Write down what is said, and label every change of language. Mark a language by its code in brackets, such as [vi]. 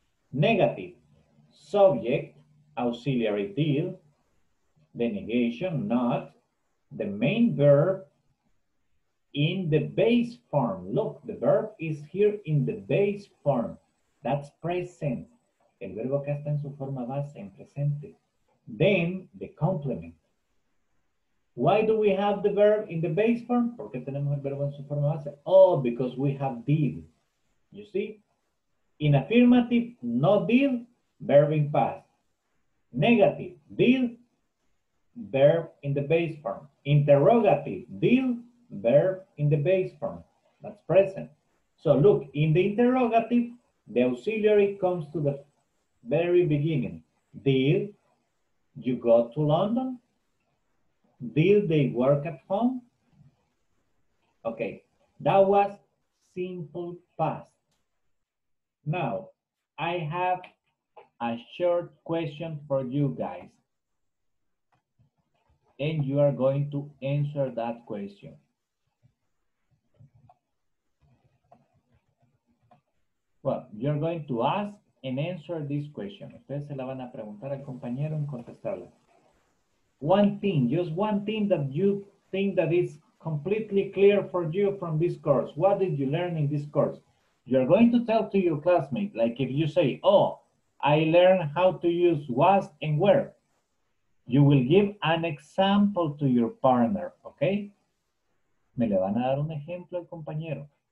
[en] Negative, subject, auxiliary did, the negation, not, the main verb in the base form. Look, the verb is here in the base form. That's present. [es] El verbo acá está en su forma base, en presente. [en] Then, the complement. Why do we have the verb in the base form? [es] ¿Por qué tenemos el verbo en su forma base? [en] Oh, because we have did. You see? In affirmative, no did, verb in past. Negative, did, verb in the base form. Interrogative, did, verb in the base form. That's present. So look, in the interrogative, the auxiliary comes to the very beginning. Did you go to London? Did they work at home? Okay, that was simple past. Now, I have a short question for you guys. And you are going to answer that question. Well, you're going to ask and answer this question. [es] Ustedes se la van a preguntar al compañero y contestarla. [en] One thing, just one thing that you think that is completely clear for you from this course. What did you learn in this course? You're going to tell to your classmate, like if you say, oh, I learned how to use was and were. You will give an example to your partner, okay? [es] Me le van a dar un ejemplo al compañero.